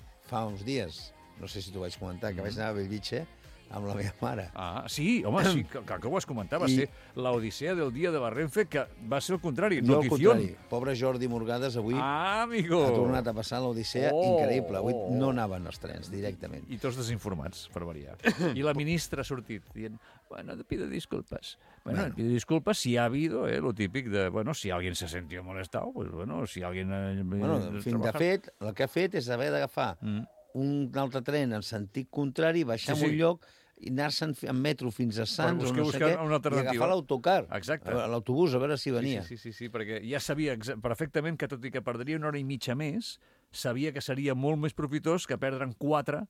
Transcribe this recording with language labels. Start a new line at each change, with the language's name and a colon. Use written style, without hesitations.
Catalan: Fa uns dies, no sé si t'ho vaig comentar, que vaig anar a Bellvitge amb la meva mare. Ah, sí, home, sí, que ho vas comentar, va ser l'odissea del dia de la Renfe, que va ser el contrari, notició. No, el contrari. Pobre Jordi Morgades, avui
Spanish: amigo.
Catalan: Ha tornat a passar l'odissea, increïble. Avui no anaven els trens, directament. I tots desinformats, per variar. I la ministra ha sortit dient, bueno,
Spanish: te pido disculpes. Bueno, pido disculpes si ha habido, lo típic de, bueno, si alguien se sentió molestado, pues bueno, si alguien...
Catalan: Bueno, de fet, el que ha fet és haver d'agafar un altre tren en sentit contrari, baixar un lloc i anar-se'n en metro fins a Sants i agafar l'autocar, l'autobús, a veure si venia. Sí, perquè ja sabia perfectament que, tot i que perdria una hora i mitja més, sabia que seria molt més profitós que perdre'n 4